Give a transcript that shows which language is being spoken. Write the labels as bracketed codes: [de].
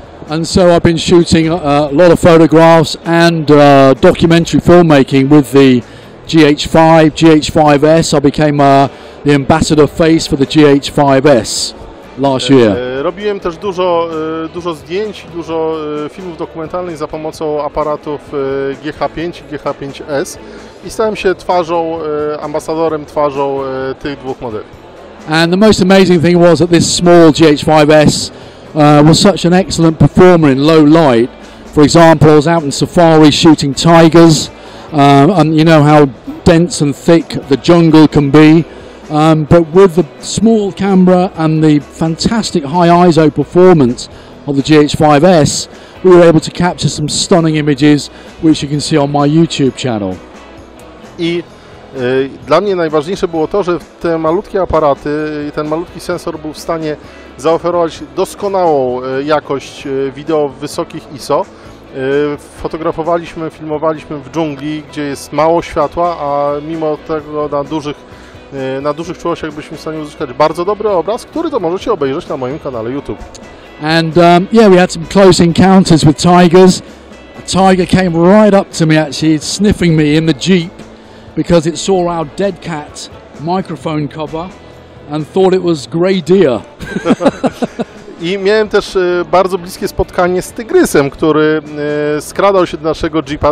[en] And so I've been shooting a lot of photographs and documentary filmmaking with the GH5, GH5S. I became the ambassador face for the GH5S last year. [pl] Robiłem też dużo zdjęć, dużo filmów dokumentalnych za pomocą aparatów GH5 i GH5S i stałem się ambasadorem twarzą tych dwóch modeli. [en] And the most amazing thing was that this small GH5S was such an excellent performer in low light. For example, I was out in safari shooting tigers. And you know how dense and thick the jungle can be, but with the small camera and the fantastic high ISO performance of the GH5S, we were able to capture some stunning images, which you can see on my YouTube channel. I [pl] Dla mnie najważniejsze było to, że te malutkie aparaty i ten malutki sensor był w stanie zaoferować doskonałą jakość wideo w wysokich ISO. Fotografowaliśmy, filmowaliśmy w dżungli, gdzie jest mało światła, a mimo tego na dużych czułościach byliśmy w stanie uzyskać bardzo dobry obraz, który to możecie obejrzeć na moim kanale YouTube. [en] And yeah, we had some close encounters with tigers. A tiger came right up to me, actually sniffing me in the Jeep, because it saw our dead cat microphone cover and thought it was grey deer. [pl] I miałem też bardzo bliskie spotkanie z tygrysem, który skradał się do naszego Jeepa.